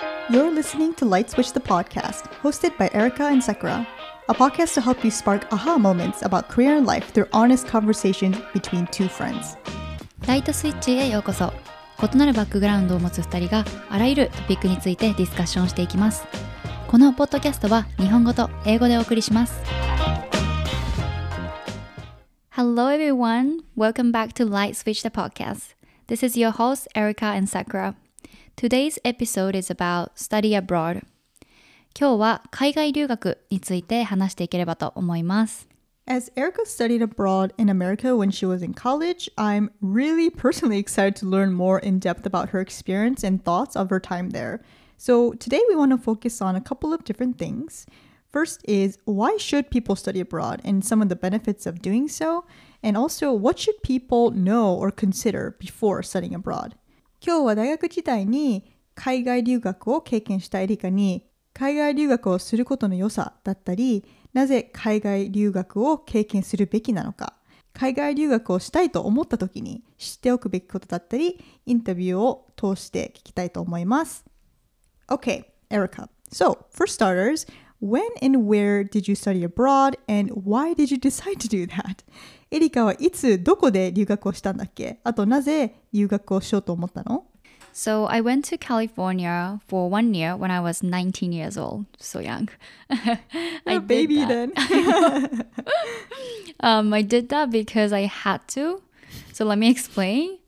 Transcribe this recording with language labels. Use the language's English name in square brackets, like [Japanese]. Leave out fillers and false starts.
[English] You're listening to Light Switch the Podcast, hosted by Erika and Sakura, a podcast to help you spark aha moments about career and life through honest conversations between two friends. [Japanese] Light Switch へようこそ。異なるバックグラウンドを持つ2人があらゆるトピックについてディスカッションしていきます。このポッドキャストは日本語と英語でお送りします。 [English] Hello everyone, welcome back to Light Switch the Podcast. This is your host Erika and Sakura. Today's episode is about study abroad. [Japanese] 今日は海外留学について話していければと思います。 [English] As Erika studied abroad in America when she was in college, I'm really personally excited to learn more in depth about her experience and thoughts of her time there. So today we want to focus on a couple of different things. First is, why should people study abroad and some of the benefits of doing so? And also, what should people know or consider before studying abroad? [Japanese] 今日は大学時代に海外留学を経験したエリカに海外留学をすることの良さだったり、なぜ海外留学を経験するべきなのか、海外留学をしたいと思った時に知っておくべきことだったり、インタビューを通して聞きたいと思います。 [English] Okay, Erika. So, for starters, when and where did you study abroad and why did you decide to do that? [Japanese] エリカはいつどこで留学をしたんだっけ？あとなぜ留学をしようと思ったの？ [English] So I went to California for 1 year when I was 19 years old. So young. I did baby that. Then. I did that because I had to. So let me explain.